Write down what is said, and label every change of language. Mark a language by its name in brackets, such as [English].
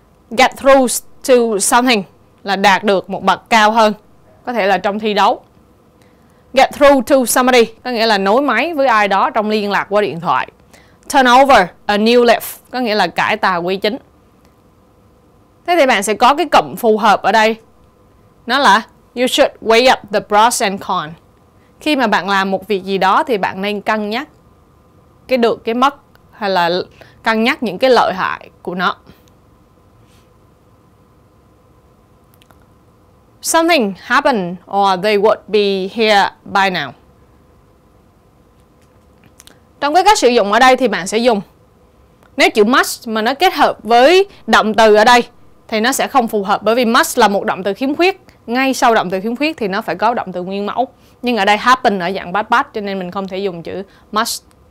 [Vietnamese] Get through to something là đạt được một bậc cao hơn, có thể là trong thi đấu. Get through to somebody, có nghĩa là nối máy với ai đó trong liên lạc qua điện thoại. Turn over a new leaf, có nghĩa là cải tà quy chính. Thế thì bạn sẽ có cái cụm phù hợp ở đây. Nó là [English] you should weigh up the pros and cons. [Vietnamese] Khi mà bạn làm một việc gì đó thì bạn nên cân nhắc cái được cái mất, hay là cân nhắc những cái lợi hại của nó. [English] Something happened or they would be here by now. [Vietnamese] Trong cái cách sử dụng ở đây thì bạn sẽ dùng, nếu chữ must mà nó kết hợp với động từ ở đây thì nó sẽ không phù hợp, bởi vì must là một động từ khiếm khuyết, ngay sau động từ khiếm khuyết thì nó phải có động từ nguyên mẫu. Nhưng ở đây happen ở dạng past tense cho nên mình không thể dùng chữ must.